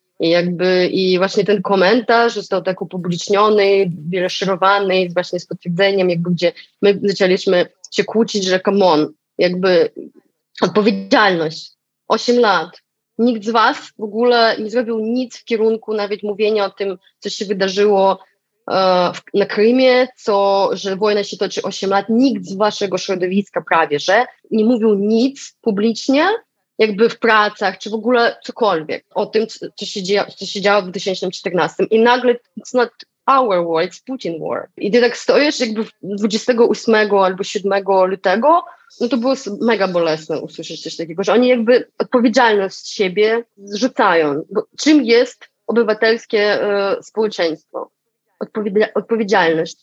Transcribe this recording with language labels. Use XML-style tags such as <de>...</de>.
<pl>jakby i właśnie ten komentarz został tak upubliczniony, wyreszerowany właśnie z potwierdzeniem, jakby gdzie my zaczęliśmy się kłócić, że</pl> <en>come on,</en> <pl>jakby odpowiedzialność, 8 lat, nikt z was w ogóle nie zrobił nic w kierunku nawet mówienia o tym, co się wydarzyło na Krymie, co, że wojna się toczy 8 lat, nikt z waszego środowiska prawie, że nie mówił nic publicznie, jakby w pracach, czy w ogóle cokolwiek o tym, co się działo w 2014. I nagle</pl> <en>it's not our war, it's Putin war.</en> <pl>I ty tak stoisz jakby 28 albo 7 lutego, no to było mega bolesne usłyszeć coś takiego, że oni jakby odpowiedzialność z siebie zrzucają. Bo czym jest obywatelskie społeczeństwo? Odpowiedzialność.</pl>